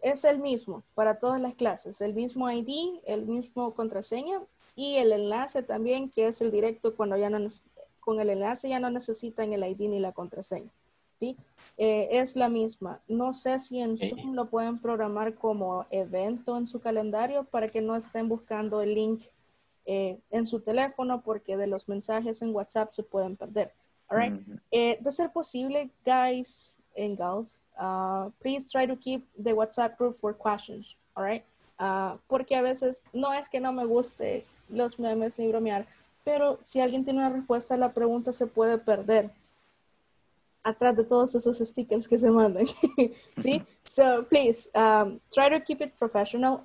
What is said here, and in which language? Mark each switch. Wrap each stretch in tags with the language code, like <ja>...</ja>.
<es>Es el mismo para todas las clases, el mismo ID, el mismo contraseña y el enlace también, que es el directo cuando ya no, con el enlace ya no necesitan el ID ni la contraseña. ¿Sí? Es la misma. No sé si en Zoom lo pueden programar como evento en su calendario para que no estén buscando el link en su teléfono, porque de los mensajes en WhatsApp se pueden perder.</es> <en>All right? Mm-hmm.</en> <es>De ser posible,</es> <en>guys and girls, please try to keep the WhatsApp group for questions. All right?</en> <es>Porque a veces, no es que no me guste los memes ni bromear, pero si alguien tiene una respuesta a la pregunta, se puede perder atrás de todos esos stickers que se mandan.</es> <en>¿Sí? So, please, try to keep it professional.</en>